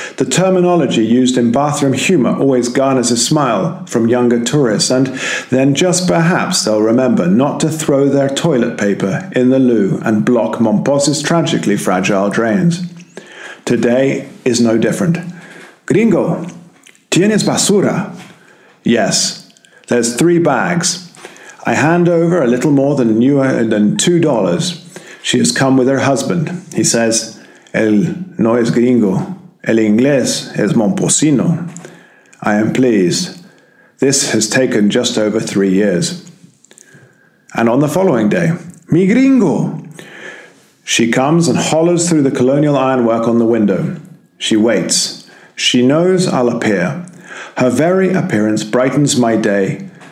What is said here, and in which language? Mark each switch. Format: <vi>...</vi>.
<en>The terminology used in bathroom humor always garners a smile from younger tourists, and then just perhaps they'll remember not to throw their toilet paper in the loo and block Mompox's tragically fragile drains. Today is no different.</en> <es>Gringo, tienes basura?</es> <en>Yes, there's three bags. I hand over a little more than $2. She has come with her husband. He says,</en> <es>El no es gringo, el inglés es Mompocino.</es> <en>I am pleased. This has taken just over 3 years. And on the following day, mi gringo. She comes and hollers through the colonial ironwork on the window. She waits. She knows I'll appear. Her very appearance brightens my day.</en>